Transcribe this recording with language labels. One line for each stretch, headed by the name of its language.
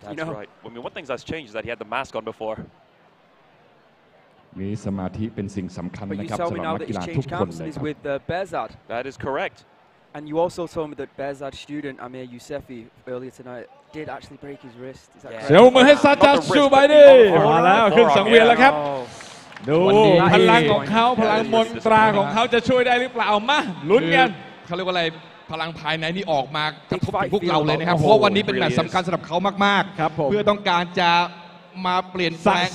English: that's right I mean one thing that's changed is that he had the mask on before
Thai: มีสมาธิเป็นสิ่งสำคัญนะครับสำหรับนักกีฬาทุกคนเลยครับ
English: with Behzad that is correct and you also told me that Behzad student Amir Yousefi earlier tonight did actually break his wrist is that correct
Thai: เสียวมือให้ซาจัดสู้ไปดิมาแล้วขึ้นสังเวียนแล้วครับดูพลังของเขาพลังมนตราของเขาจะช่วยได้หรือเปล่ามาลุ้นกัน เขาเรียกว่าอะไรพลังภายในนี่ออกมากระทบพวกเราเลยนะครับเพราะวันนี้เป็นแมตช์สำคัญสำหรับเขามาก ๆ เพื่อต้องการจะมาเปลี่ยนแปลง